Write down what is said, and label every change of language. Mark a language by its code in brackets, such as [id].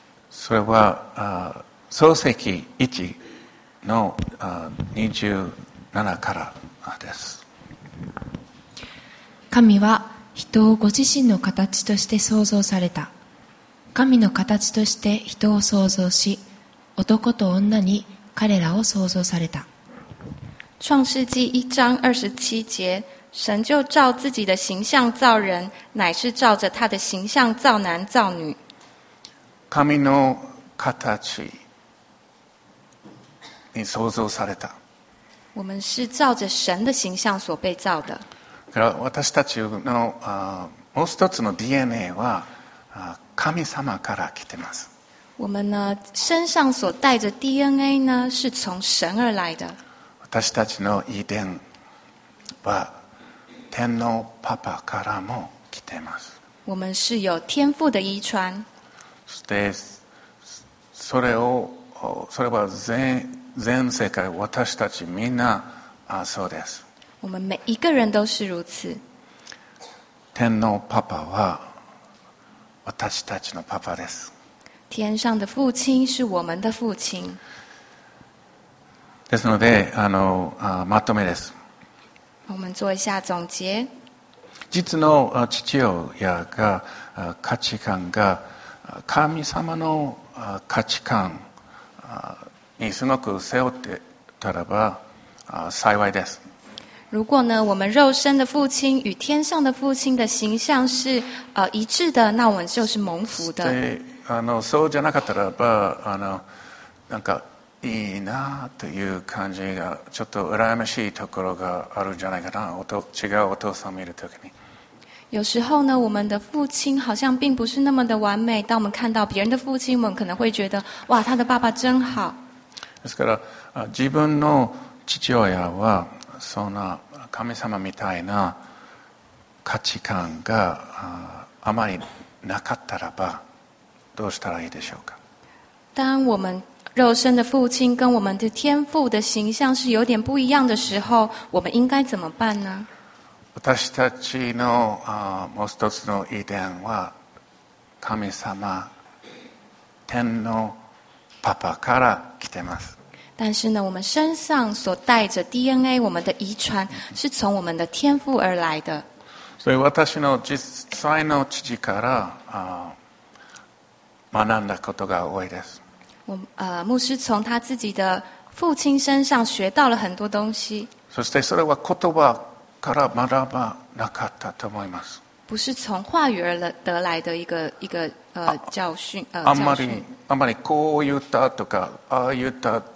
[ja] それは創世記1の27からです。神は人をご自身の形として創造された。神の形として人を創造し、男と女に彼らを創造された。 [zh] 創世記1章27節、神就照自己的形象造人，乃是照着他的形象造男造女。 [ja] 神の形に創造された。 [zh] 我们是照着神的形象所被造的。 [ja] 私たちのもう一つの DNA は神様から来てます。 [zh] 我们呢，身上所带着 DNA 呢，是从神而来的。 [ja] 私たちの遺伝は天のパパからも来ています。 [zh] 我们是有天父的遗传。 [ja] そして、それは全世界、私たちみんなそうです。 [zh] 我们每一个人都是如此。 [ja] 天のパパは私たちのパパです。 [zh] 天上的父亲是我们的父亲。 [ja] ですので、まとめです。 [zh] 我们做一下总结。 [ja] 実の父親が価値観が神様の価値観にすごく背負ってたらば幸いです。 [zh] 如果呢，我们肉身的父亲与天上的父亲的形象是一致的，那我们就是蒙福的。 [ja] 对，そうじゃなかったらば、なんかいいなという感じがちょっと羨ましいところがあるんじゃないかな。違うお父さんを見るときに。 [zh] 有时候呢，我们的父亲好像并不是那么的完美。当我们看到别人的父亲，我们可能会觉得，哇，他的爸爸真好。 [ja] ですから、自分の父親は。そんな神様みたいな価値観があまりなかったらばどうしたらいいでしょうか。 [zh] 当我们肉身的父亲跟我们的天父的形象是有点不一样的时候，我们应该怎么办呢？ [ja] 私たちのもう一つの遺伝は神様天のパパから来てます。 [zh] 但是呢，我们身上所带着 DNA， 我们的遗传是从我们的天父而来的。 [ja] 所以私の実際の父から学んだことが多いです。 [zh] 牧师从他自己的父亲身上学到了很多东西。 [ja] そしてそれは言葉から学ばなかったと思います。 [zh] 不是从话语而得来的一个教训。 [ja] あんまりこう言ったとかああ言った。